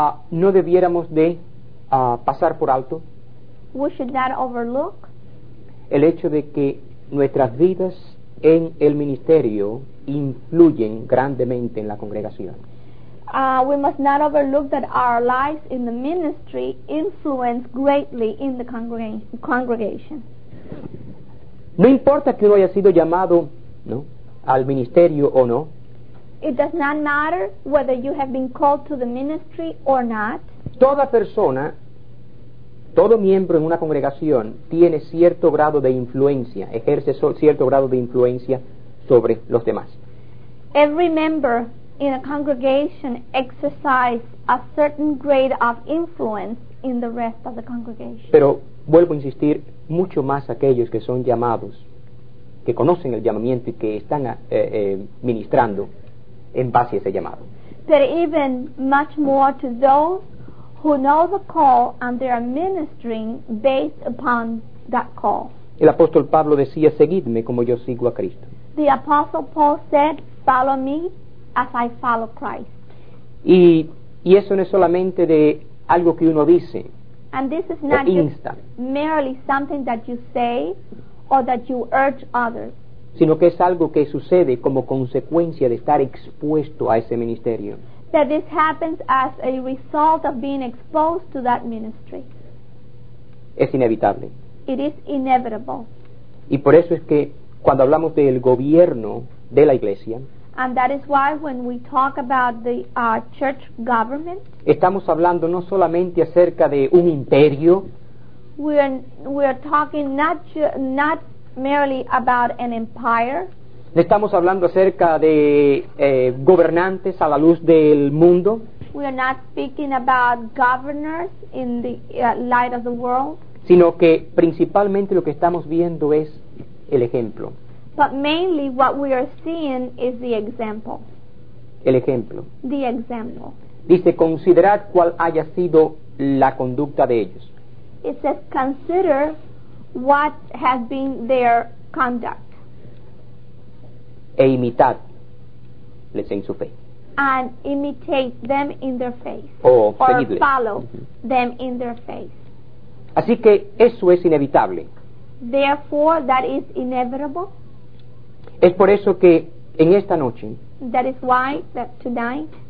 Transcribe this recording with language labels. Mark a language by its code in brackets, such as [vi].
[es] No debiéramos de pasar por alto. [en] We should not overlook [es] el hecho de que nuestras vidas en el ministerio influyen grandemente en la congregación. [en] We must not overlook that our lives in the ministry influence greatly in the congregation. [es] No importa que uno haya sido llamado, ¿no?, al ministerio o no. [en] It does not matter whether you have been called to the ministry or not. [es] Toda persona, todo miembro en una congregación tiene cierto grado de influencia, ejerce cierto grado de influencia sobre los demás. [en] Every member in a congregation exercises a certain grade of influence in the rest of the congregation. [es] Pero vuelvo a insistir, mucho más aquellos que son llamados, que conocen el llamamiento y que están ministrando en base a ese llamado. [en] But even much more to those who know the call and they are ministering based upon that call. [es] El apóstol Pablo decía, seguidme como yo sigo a Cristo. [en] The apostle Paul said, follow me as I follow Christ. [es] Y eso no es solamente de algo que uno dice. [en] And this is not just merely something that you say or that you urge others, [es] sino que es algo que sucede como consecuencia de estar expuesto a ese ministerio. [en] That this happens as a result of being exposed to that ministry. [es] Es inevitable. [en] It is inevitable. [es] Y por eso es que cuando hablamos del gobierno de la iglesia, [en] And that is why when we talk about the church government, [es] estamos hablando no solamente acerca de un imperio. [en] We are talking not merely about an empire. [es] Estamos hablando acerca de gobernantes a la luz del mundo. [en] We are not speaking about governors in the light of the world. [es] Sino que principalmente lo que estamos viendo es el ejemplo. [en] But mainly what we are seeing is the example. [es] El ejemplo. [en] The example. [es] Dice, considerad cuál haya sido la conducta de ellos. [en] It says, consider what has been their conduct. [es] E imitad les en su fe. [en] And imitate them in their faith. [es] Or seguidle. [en] Follow mm-hmm. them in their faith. [es] Así que eso es inevitable. [en] Therefore, that is inevitable. [es] Es por eso que en esta noche, [en] that is why that tonight,